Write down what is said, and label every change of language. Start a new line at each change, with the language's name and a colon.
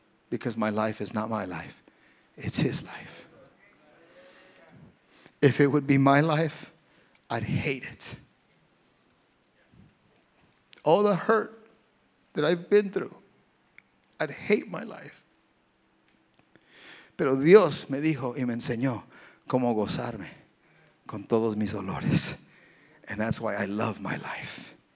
English: Because my life is not my life. It's his life. If it would be my life, I'd hate it. All the hurt that I've been through, I'd hate my life.
Spanish: Pero Dios me dijo y me enseñó cómo gozarme con todos mis dolores.
English: And that's why I love my life.